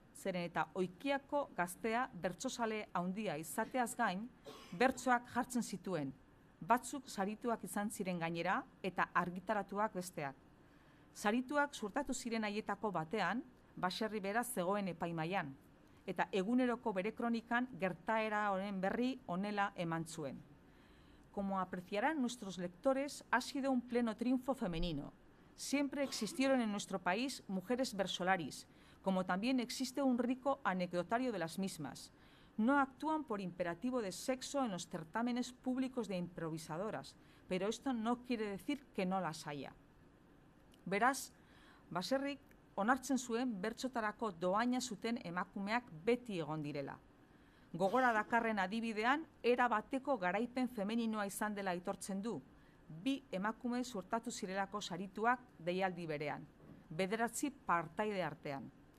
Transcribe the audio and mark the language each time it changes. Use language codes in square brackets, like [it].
[eu] Zeren eta oikiako gaztea bertsozale handia izateaz gain, bertsoak jartzen zituen, batzuk sarituak izan ziren gainera eta argitaratuak besteak. Sarituak sortatu ziren haietako batean, baserri bera zegoen epaimaian, eta eguneroko bere kronikan gertaera honen berri honela eman zuen. [es] Como apreciarán nuestros lectores, ha sido un pleno triunfo femenino. Siempre existieron en nuestro país mujeres versolaris, como también existe un rico anecdotario de las mismas. No actúan por imperativo de sexo en los certámenes públicos de improvisadoras, pero esto no quiere decir que no las haya. [eu] Beraz, baserrik onartzen zuen bertsotarako dohaina zuten emakumeak beti egon direla. Gogora dakarren adibidean, era bateko garaipen femeninoa izan dela aitortzen du, bi emakume sortatu zirelako sarituak deialdi berean, 9 partaide artean.